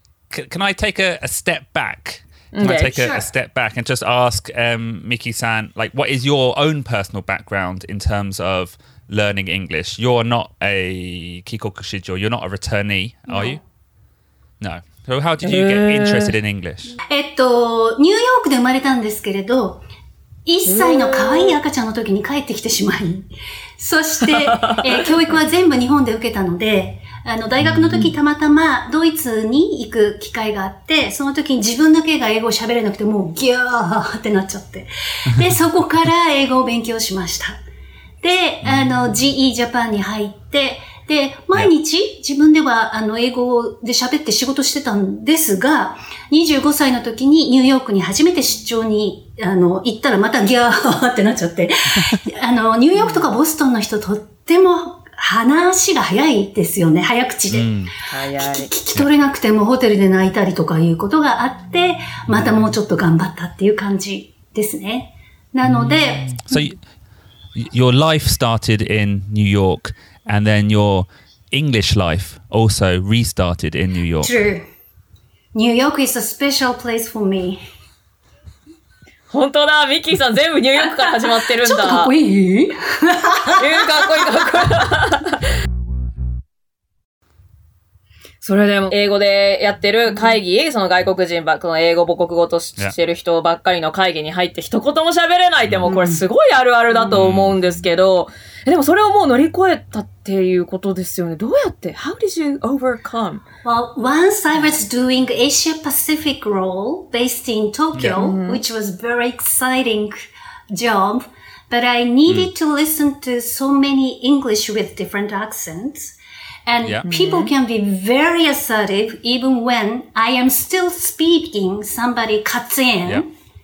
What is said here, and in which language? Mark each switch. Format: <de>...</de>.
<en>Can I take a step back? Can I take a step back and just ask Miki-san, like, what is your own personal background in terms of learning English? You're not a kikokushijo, you're not a returnee, are you? No. So how did you get interested in English?</en> <ja>ニューヨークで生まれたんですけれど、1歳の可愛い赤ちゃんの時に帰ってきてしまい、そして、教育は全部日本で受けたので、あの、大学の時たまたまドイツに行く機会があって、その時に自分だけが英語を喋れなくて、もうギャーってなっちゃって。で、そこから英語を勉強しました。で、あの、GE ジャパンに入って、で、毎日自分ではあの、英語で喋って仕事してたんですが、25歳の時にニューヨークに初めて出張に、あの、行ったらまたギャーってなっちゃって、あの、ニューヨークとかボストンの人とっても、話が早いですよね。早口で、うん、聞き取れなくてもホテルで泣いたりとかいうことがあって、うん、またもうちょっと頑張ったっていう感じですね。なので、うん、</ja> <en>So your life started in New York, and then your English life also restarted in New York. True. New York is a special place for me.</en> <ja>本当だ、ミッキーさん全部ニューヨークから始まってるんだ。ちょっとかっこいい。うん、かっこいいかっこいい。それでも英語でやってる会議、その外国人ばっかの英語母国語としてる人ばっかりの会議に入って一言も喋れないって、もうこれすごいあるあるだと思うんですけど、でもそれをもう乗り越えたっていうことですよね。どうやって、</ja> <en>How did you overcome? Well, once I was doing Asia Pacific role based in Tokyo, which was very exciting job, but I needed to listen to so many English with different accents. And people can be very assertive even when I am still speaking, somebody cuts in.</en>